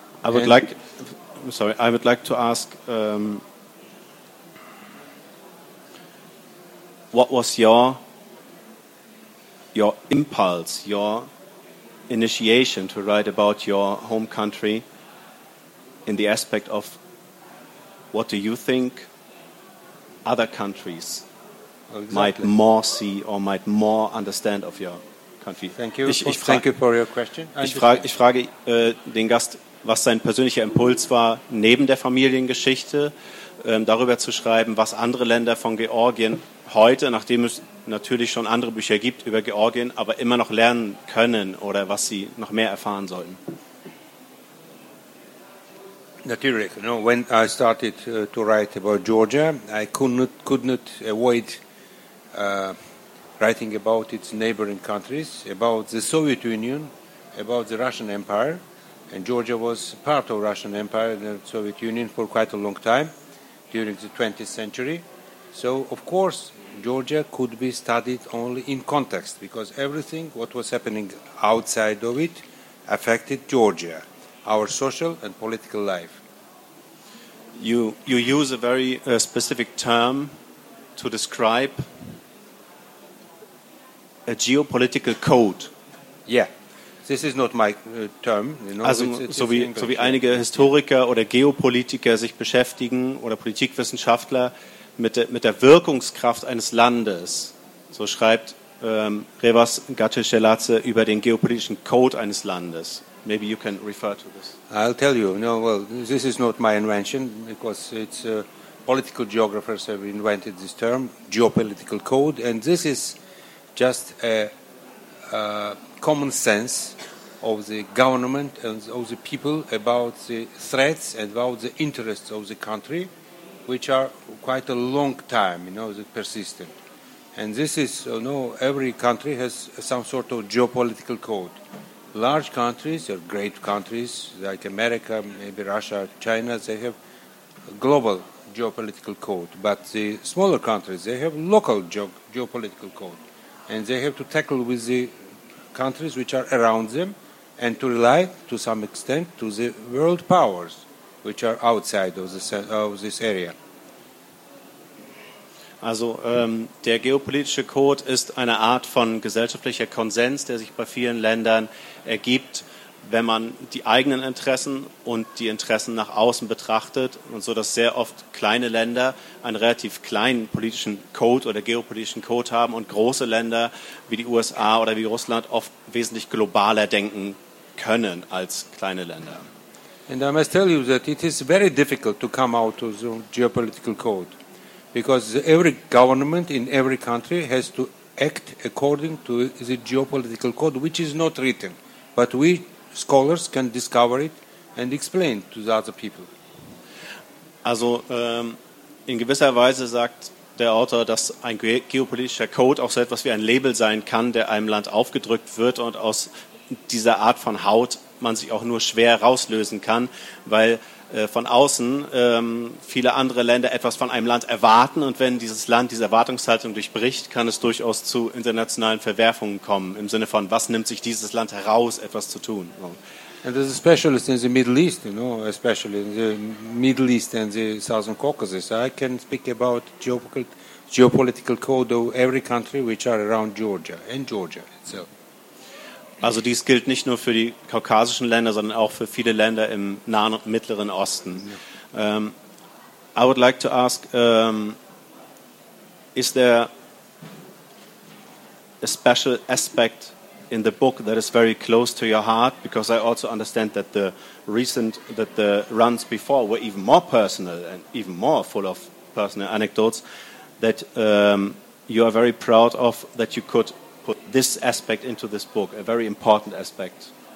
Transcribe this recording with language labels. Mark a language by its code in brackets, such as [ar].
[en] I would like to ask, what was your impulse, your initiation to write about your home country in the aspect of what do you think other countries might more see or might more understand of your country? Thank you. Thank you for your question. [de] Ich frage den Gast, was sein persönlicher Impuls war, neben der Familiengeschichte darüber zu schreiben, was andere Länder von Georgien heute, nachdem es natürlich schon andere Bücher gibt über Georgien, aber immer noch lernen können oder was sie noch mehr erfahren sollten. Natürlich, [en] you know, when I started to write about Georgia, I could not avoid writing about its neighboring countries, about the Soviet Union, about the Russian Empire. And Georgia was part of Russian Empire and the Soviet Union for quite a long time, during the 20th century. So, of course, Georgia could be studied only in context, because everything what was happening outside of it affected Georgia, our social and political life. You use a very specific term to describe a geopolitical code. Yeah. This is not my term. You know, [de] also, so wie einige Historiker oder Geopolitiker sich beschäftigen oder Politikwissenschaftler mit der Wirkungskraft eines Landes, so schreibt Revas Gatschelatze über den geopolitischen Code eines Landes. [en] Maybe you can refer to this. I'll tell you. No, well, this is not my invention, because it's political geographers have invented this term, geopolitical code, and this is just a common sense of the government and of the people about the threats and about the interests of the country, which are quite a long time, you know, that persisted. And this is, you know, every country has some sort of geopolitical code. Large countries or great countries like America, maybe Russia, China, they have a global geopolitical code. But the smaller countries, they have local geopolitical code. And they have to tackle with the countries which are around them and to rely to some extent to the world powers which are outside of this area. [de] Also der geopolitische Code ist eine Art von gesellschaftlicher Konsens, der sich bei vielen Ländern ergibt, wenn man die eigenen Interessen und die Interessen nach außen betrachtet, und so dass sehr oft kleine Länder einen relativ kleinen politischen Code oder geopolitischen Code haben und große Länder wie die USA oder wie Russland oft wesentlich globaler denken können als kleine Länder. [en] And I must tell you that it is very difficult to come out of the geopolitical code, because every government in every country has to act according to the geopolitical code, which is not written, but we scholars can discover it and explain to the other people. [de] Also in gewisser Weise sagt der Autor, dass ein geopolitischer Code auch so etwas wie ein Label sein kann, der einem Land aufgedrückt wird und aus dieser Art von Haut man sich auch nur schwer rauslösen kann, weil von außen viele andere Länder etwas von einem Land erwarten und wenn dieses Land diese Erwartungshaltung durchbricht, kann es durchaus zu internationalen Verwerfungen kommen, im Sinne von, was nimmt sich dieses Land heraus, etwas zu tun. [en] And there's a specialist in the Middle East, you know, especially in the Middle East and the Southern Caucasus. I can speak about geopolitical code of every country which are around Georgia, and Georgia itself. [de] Also dies gilt nicht nur für die kaukasischen Länder, sondern auch für viele Länder im Nahen und Mittleren Osten. [en] I would like to ask, is there a special aspect in the book that is very close to your heart? Because I also understand that the runs before were even more personal and even more full of personal anecdotes that you are very proud of, that you could put this aspect into this book, a very important aspect.